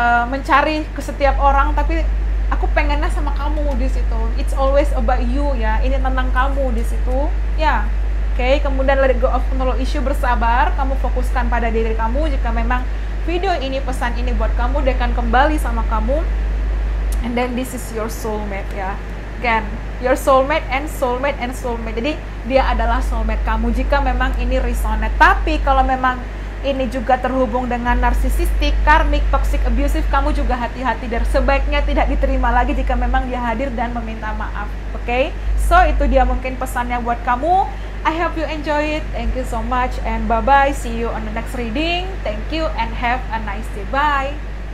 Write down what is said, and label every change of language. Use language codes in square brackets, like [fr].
[id] mencari ke setiap orang, tapi aku pengennya sama kamu di situ. [en] It's always about you [id] ya. Ini tentang kamu di situ. Ya. Yeah. Oke, okay, kemudian [en] let go of control issue, [id] bersabar, kamu fokuskan pada diri kamu. Jika memang video ini, pesan ini buat kamu, dia akan kembali sama kamu. [en] And then this is your soulmate, ya. Again, your soulmate and soulmate and soulmate. [id] Jadi, dia adalah soulmate kamu jika memang ini resonate. Tapi, kalau memang ini juga terhubung dengan narsisistik, karmic, toxic, abusive, kamu juga hati-hati dan sebaiknya tidak diterima lagi jika memang dia hadir dan meminta maaf. Oke, okay? So itu dia mungkin pesannya buat kamu. [en] I hope you enjoy it. Thank you so much and bye-bye. See you on the next reading. Thank you and have a nice day. Bye.